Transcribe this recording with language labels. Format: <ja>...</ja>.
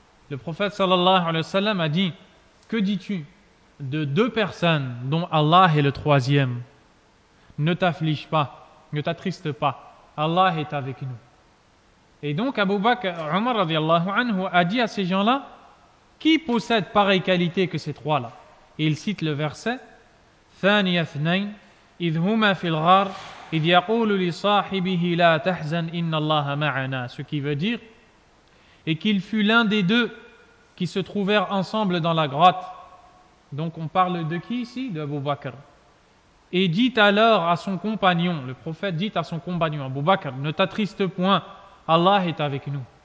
<fr>Le prophète sallallahu alayhi wa sallam a dit: que dis-tu de deux personnes dont Allah est le troisième? Ne t'afflige pas, ne t'attriste pas, Allah est avec nous. Et donc Abu Bakr, Umar radiallahu anhu, a dit à ces gens-là: qui possède pareille qualité que ces trois-là? Et il cite le verset:</fr> <ar>ثَانِيَ اثْنَيْنِ إِذْ هُمَا فِي الْغَارِ إِذْ يَقُولُ لِصَاحِبِهِ لَا تَحْزَنْ إِنَّ اللَّهَ مَعَنَا.</ar> <fr>Ce qui veut dire: et qu'il fut l'un des deux qui se trouvèrent ensemble dans la grotte. Donc on parle de qui ici? De Abu Bakr. et dit alors à son compagnon, le prophète dit à son compagnon, Abu Bakr, ne t'attriste point, Allah est avec nous.</fr>